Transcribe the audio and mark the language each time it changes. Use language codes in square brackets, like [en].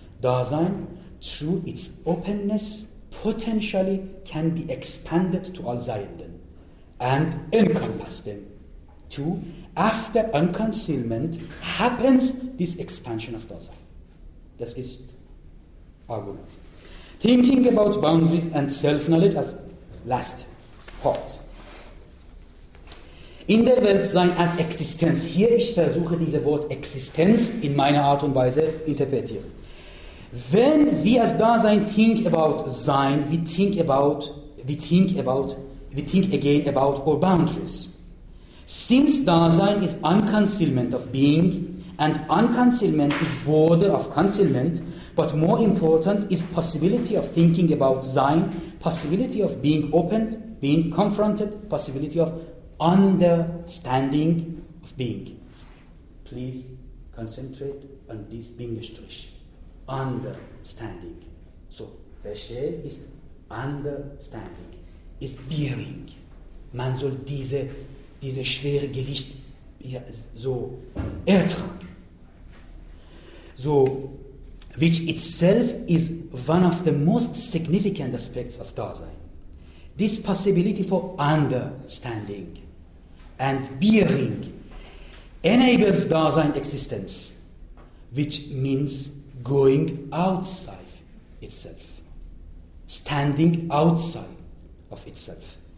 [en] Dasein, through its openness, potentially can be expanded to all Seienden and encompass them. Two, after unconcealment happens this expansion of Dasein. This is argument. Thinking about boundaries and self-knowledge as last part. [de] In der Weltsein als Existenz. Hier ich versuche dieses Wort Existenz in meiner Art und Weise interpretieren. [en] When we as Dasein think about Sein, we think again about our boundaries. Since Dasein is unconcealment of being, and unconcealment is border of concealment, but more important is possibility of thinking about Sein, possibility of being opened, being confronted, possibility of understanding of being. Please concentrate on this Bindestrich. Understanding. So, [de] Verstehen ist [en] understanding, ist bearing. [de] Man soll diese schwere Gewicht ja, so ertragen. [en] So, which itself is one of the most significant aspects of Dasein. This possibility for understanding and bearing enables Dasein existence, which means going outside itself, standing outside of itself.